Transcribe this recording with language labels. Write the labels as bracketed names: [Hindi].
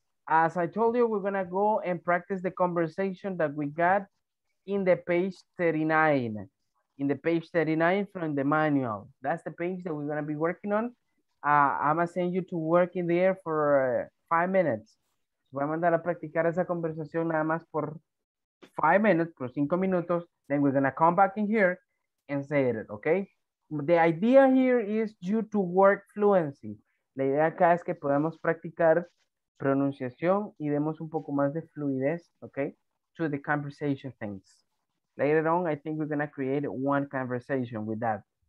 [English] As I told you, we're gonna go and practice the conversation that we got in the page 39. In the page 39 from the manual. That's the page that we're gonna be working on. I'm gonna send you to work in there for 5 minutes. [Spanish] Voy a mandar a practicar esa conversación nada más por 5 minutes, por 5 minutos. [English] Then we're gonna come back in here and say it, okay? The idea here is you to work fluency. [Spanish] La idea acá es que podamos practicar pronunciación y demos un poco más de fluidez, okay, [English] to the conversation things. Later on, I think we're gonna create one conversation with that.